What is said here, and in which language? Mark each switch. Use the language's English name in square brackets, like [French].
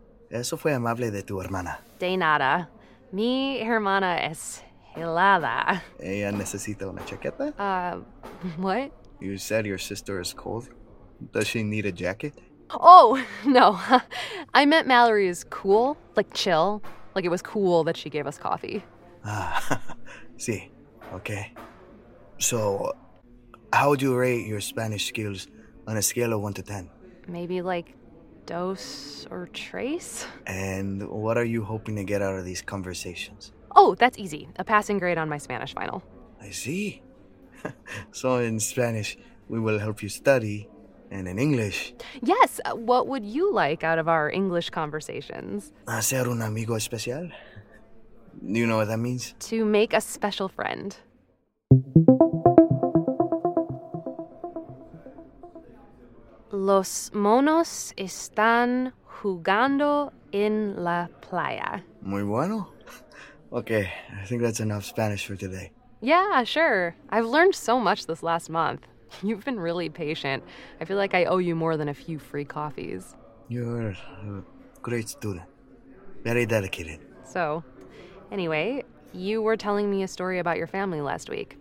[Spanish] Eso fue amable de tu hermana. De nada. Mi hermana es helada. Ella necesita una chaqueta? [English] What? You said your sister is cold. Does she need a jacket? Oh, no. I meant Mallory is cool, like chill. Like it was cool that she gave us coffee. [Spanish] Ah, sí. Okay. [English] So, how would you rate your Spanish skills on a scale of 1 to 10? Maybe like dos or tres? And what are you hoping to get out of these conversations? Oh, that's easy. A passing grade on my Spanish final. I see. So in Spanish, we will help you study. And in English? Yes. What would you like out of our English conversations? [Spanish] Hacer un amigo especial. [English] Do you know what that means? To make a special friend. [Spanish] Los monos están jugando en la playa. Muy bueno. [English] Okay, I think that's enough Spanish for today. Yeah, sure. I've learned so much this last month. You've been really patient. I feel like I owe you more than a few free coffees. You're a great student. Very dedicated. So, anyway, you were telling me a story about your family last week.